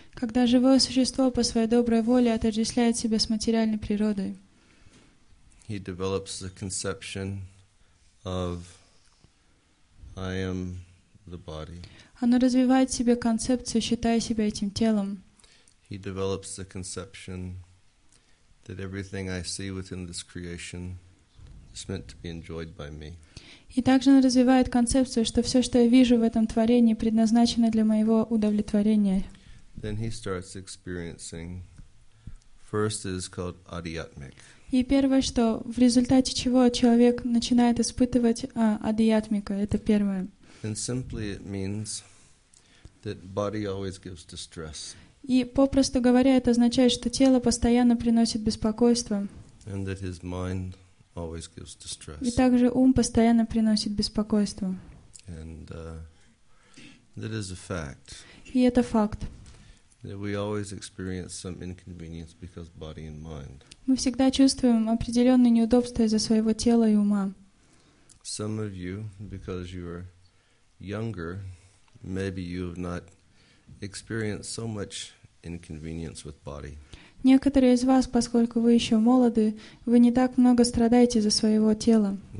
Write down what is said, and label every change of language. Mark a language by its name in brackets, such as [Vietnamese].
[Russian] Когда живое существо по своей доброй воле отождествляет себя с материальной природой. [English] He develops the conception of I am the body. [Russian] Оно развивает в себе концепцию, считая себя этим телом. [English] He develops the conception that everything I see within this creation is meant to be enjoyed by me. [Russian] И также он развивает концепцию, что все, что я вижу в этом творении, предназначено для моего удовлетворения. [English] Then he starts experiencing, first is called adiyatmik. [Russian] И первое, что в результате чего человек начинает испытывать адиятмика, это первое. [English] And simply it means that body always gives distress. [Russian] И попросту говоря, это означает, что тело постоянно приносит беспокойство. [English] And that his mind always gives distress. [Russian] И также ум постоянно приносит беспокойство. [English] And that is a fact. [Russian] И это факт. [English] That we always experience some inconvenience because body and mind. [Russian] Мы всегда чувствуем определенные неудобства из-за своего тела и ума. [English] Some of you, because you are younger, maybe you have not experienced so much inconvenience with body. [Russian] Некоторые из вас, поскольку вы еще молоды, вы не так много страдаете за своего тела.